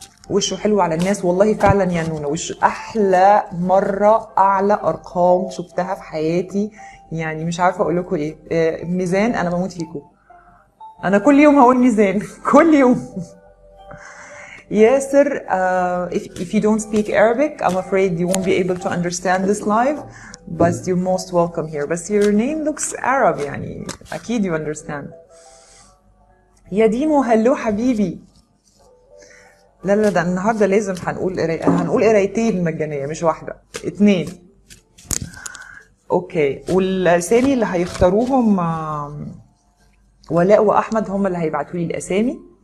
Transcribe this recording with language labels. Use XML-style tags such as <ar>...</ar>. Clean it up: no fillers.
<ar>وشه حلو على الناس، والله فعلا يا نونة وش احلى مرة، اعلى ارقام شفتها في حياتي، يعني مش عارفة اقول لكم ايه. ميزان انا بموت فيكو، انا كل يوم هقول ميزان كل يوم.</ar> <en>ياسر، if you don't speak Arabic I'm afraid you won't be able to understand this live, but you're most welcome here. But your name looks Arab,</en> <ar>يعني اكيد</ar> <en>you understand.</en> <ar>يا ديمو هلو حبيبي. لا لا، ده النهارده لازم هنقول قرايتين مجانيه، مش واحده، اتنين. اوكي، والاسامي اللي هيختاروهم ولاء واحمد هم اللي هيبعتوا لي الاسامي.</ar>